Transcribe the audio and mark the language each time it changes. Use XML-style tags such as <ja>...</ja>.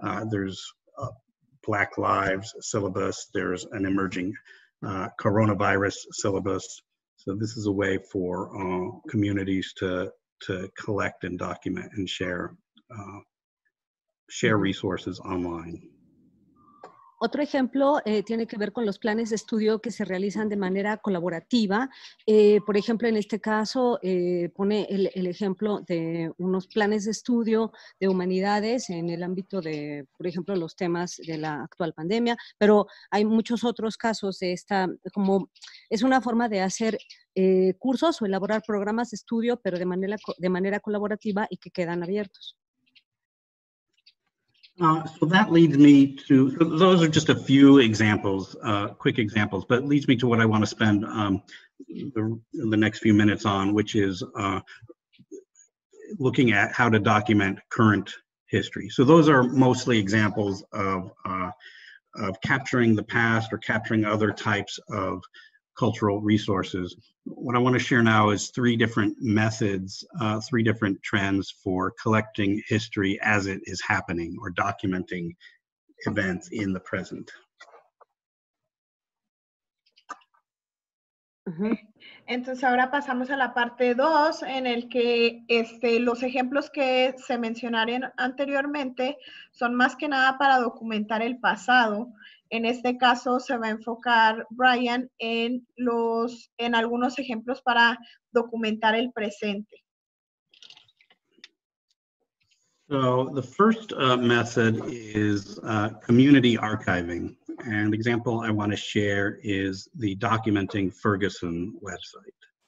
<en>There's a Black Lives syllabus. There's an emerging coronavirus syllabus. So this is a way for communities to collect and document and share share resources online.</en> <es>Otro ejemplo tiene que ver con los planes de estudio que se realizan de manera colaborativa. Por ejemplo, en este caso, pone el ejemplo de unos planes de estudio de humanidades en el ámbito de, por ejemplo, los temas de la actual pandemia. Pero hay muchos otros casos de esta, como es una forma de hacer cursos o elaborar programas de estudio, pero de manera colaborativa y que quedan abiertos.</es> <en>So that leads me to, those are just a few examples, quick examples, but leads me to what I want to spend the next few minutes on, which is looking at how to document current history. So those are mostly examples of capturing the past or capturing other types of cultural resources. What I want to share now is three different methods, three different trends for collecting history as it is happening or documenting events in the present.</en> <es>Entonces ahora pasamos a la parte dos en el que los ejemplos que se mencionaron anteriormente son más que nada para documentar el pasado. En este caso se va a enfocar Brian en algunos ejemplos para documentar el presente.</es> <en>So the first method is community archiving. And the example I want to share is the Documenting Ferguson website.</en>